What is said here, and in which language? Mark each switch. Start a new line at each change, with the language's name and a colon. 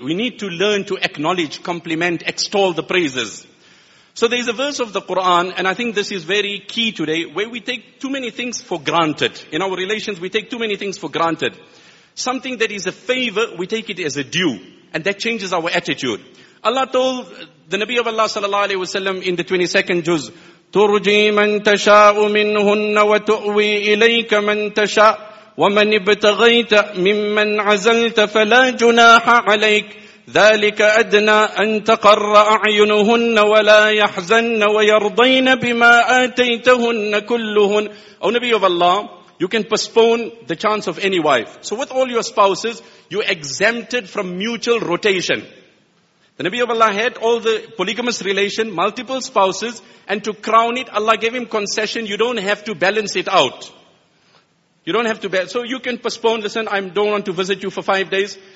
English: We need to learn to acknowledge, compliment, extol the praises. So there is a verse of the Quran, and I think this is very key today, where we take too many things for granted. In our relations, we take too many things for granted. Something that is a favor, we take it as a due. And that changes our attitude. Allah told the Nabi of Allah sallallahu alaihi wasallam in the 22nd juz,
Arabic: تُرْجِي مَن تَشَاءُ مِنْهُنَّ وَتُؤْوِي إِلَيْكَ مَن تَشَاءُ وَمَن ابْتَغَيْتَ مِمَّنْ عَزَلْتَ فَلَا جُنَاحَ عَلَيْكَ ذَلِكَ أَدْنَى أَن تَقَرَّ أَعْيُنُهُنَّ وَلَا يَحْزَنَّ وَيَرْضَيْنَ بِمَا آتَيْتَهُنَّ كُلُّهُنَّ.
English: O Nabi of Allah, you can postpone the chance of any wife. So with all your spouses, you exempted from mutual rotation. The Nabi of Allah had all the polygamous relation, multiple spouses, and to crown it, Allah gave him concession. You don't have to balance it out. You don't have to balance. So you can postpone, listen, I don't want to visit you for 5 days.